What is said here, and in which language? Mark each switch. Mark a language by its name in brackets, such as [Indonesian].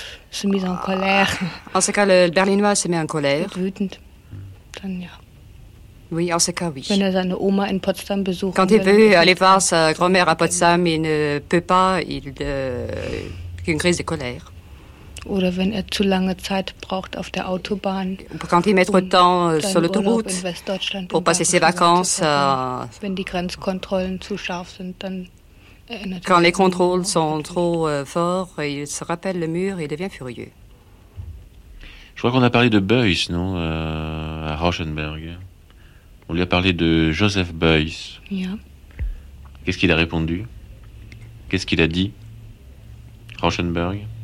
[French] se mis en colère. En ce cas, le Berlinois se met en colère. [German] Wütend. Dann, ja. [French] Oui, en ce cas, oui. [German] Wenn er seine Oma in Potsdam besuchen [French] quand il veut aller voir sa grand-mère à Potsdam, il ne peut pas, il a une crise de colère. [German] Oder wenn er zu lange Zeit braucht auf der Autobahn. [French] Quand il met trop de temps sur l'autoroute pour passer ses vacances. [German] Wenn die Grenzkontrollen zu scharf sind, dann erinnert. [French] Quand les contrôles sont trop forts, il se rappelle le mur et devient furieux. Je crois qu'on a parlé de Beuys, non, à Rosenberg. On lui a parlé de Joseph Beuys. [English] Yeah. [French] Qu'est-ce qu'il a répondu? Qu'est-ce qu'il a dit, Rosenberg?